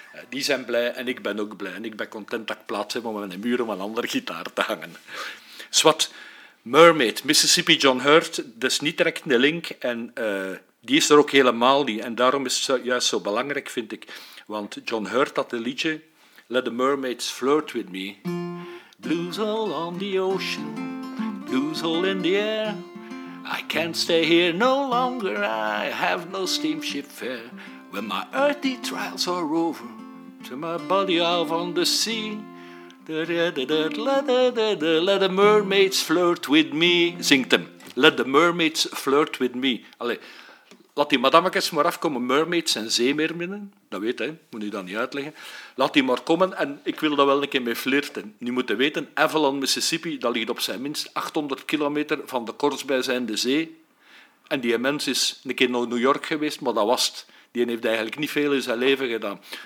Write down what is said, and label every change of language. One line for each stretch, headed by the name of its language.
Dutch: Die zijn blij en ik ben ook blij. En ik ben content dat ik plaats heb om aan de muren van een andere gitaar te hangen. Swat, Mermaid, Mississippi John Hurt, dat is niet direct een link en... Die is er ook helemaal niet. En daarom is het juist zo belangrijk, vind ik. Want John Hurt had een liedje.
English: Let the mermaids flirt with me. Blues all on the ocean. Blues all in the air. I can't stay here no longer. I have no steamship fare. When my earthy trials are over. To my body off on the sea. Let the mermaids flirt with me.
Dutch: Zingt hem.
English: Let the mermaids flirt with me.
Dutch: Allee. Laat die madammetjes maar afkomen, mermaids en zeemerminnen. Dat weet hij, moet u dat niet uitleggen. Laat die maar komen en ik wil daar wel een keer mee flirten. Nu moet je weten, Avalon, Mississippi, dat ligt op zijn minst 800 kilometer van de kortstbijzijnde zee. En die mens is een keer naar New York geweest, maar dat was het. Die heeft eigenlijk niet veel in zijn leven gedaan.